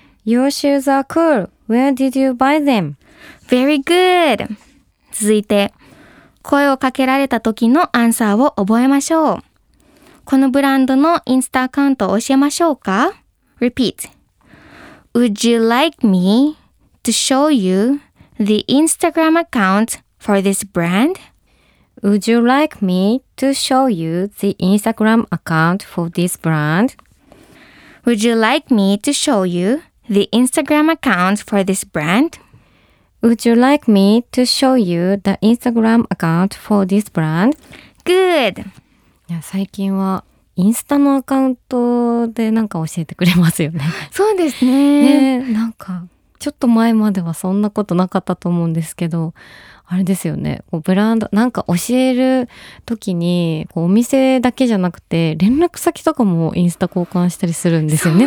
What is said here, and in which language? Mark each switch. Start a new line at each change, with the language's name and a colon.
English: Your shoes are cool. Where did you buy them? Very good.
Japanese: 続いて、声をかけられた時のアンサーを覚えましょう。このブランドのインスタアカウントを教えましょうか?
English: Repeat. Would you like me to show you the Instagram account for this brand? Would you like me to show you the Instagram account for this brand? Would you like me to show you the Instagram account for this brand? Would you like me to show you the Instagram account for this brand? Good!
Japanese: いや、最近はインスタのアカウントでなんか教えてくれますよね。そうですね。なんかちょっと前まではそんなことなかったと思うんですけど、あれですよね、こうブランドなんか教える時にこうお店だけじゃなくて連絡先とかもインスタ交換したりするんですよね。